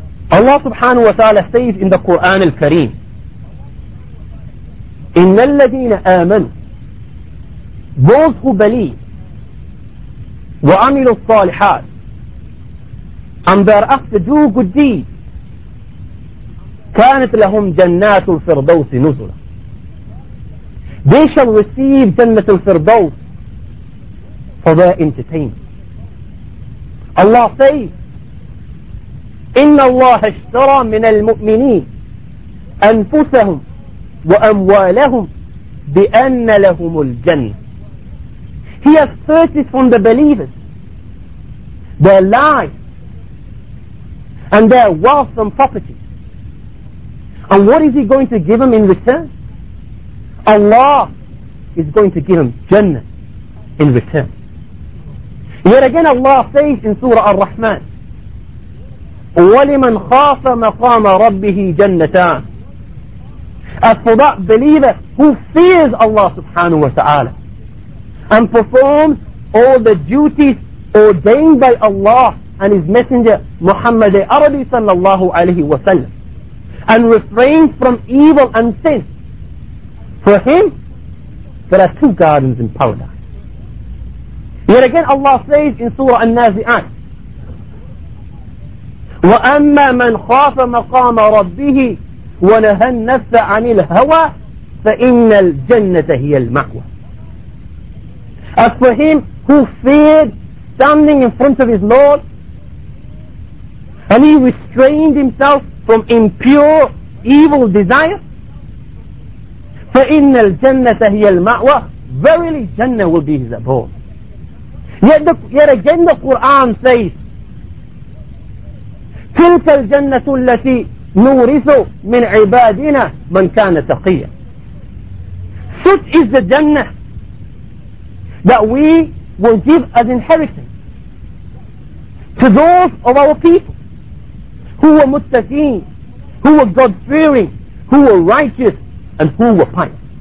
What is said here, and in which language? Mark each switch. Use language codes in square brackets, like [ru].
[en] Allah subhanahu wa ta'ala says in the Quran al-Kareem: [ar] إن الذين آمنوا, [en] those who believe, [ar] وعملوا الصالحات, [en] and thereafter do good deeds, [ar] كانت لهم جنات الفردوس نزلا. [en] They shall receive جنة الفردوس for their entertainment. Allah says, [ar] إن الله اشترى من المؤمنين أنفسهم وأموالهم بأن لهم الجنة. [en] He has purchased from the believers their lives and their wealth and property. And what is he going to give them in return? Allah is going to give them Jannah in return. Yet again Allah says in Surah Ar-Rahman: [ar] وَلِمَنْ خَافَ مَقَامَ رَبِّهِ جَنَّتَانِ. [en] As for that believer who fears Allah subhanahu wa ta'ala and performs all the duties ordained by Allah and his messenger Muhammad Arabi sallallahu alayhi wa sallam, and refrains from evil and sin, for him there are two gardens in paradise. Yet again Allah says in Surah An-Nazi'at: [ar] وَأَمَّا مَنْ خَافَ مَقَامَ رَبِّهِ وَنَهَى النَّفْسَ عَنِ الْهَوَى فَإِنَّ الْجَنَّةَ هِيَ الْمَأْوَى. [en] As for him who feared standing in front of his Lord, and he restrained himself from impure evil desire, [ar] فَإِنَّ الْجَنَّةَ هِيَ الْمَأْوَى, [en] verily Jannah will be his abode. Yet again the Quran says: [ar] تلك الجنة التي نورث من عبادنا من كان تقيا. [en] Such is the Jannah that we will give as inheritance to those of our people who were muttaqeen, who were God-fearing, who were righteous, and who were pious.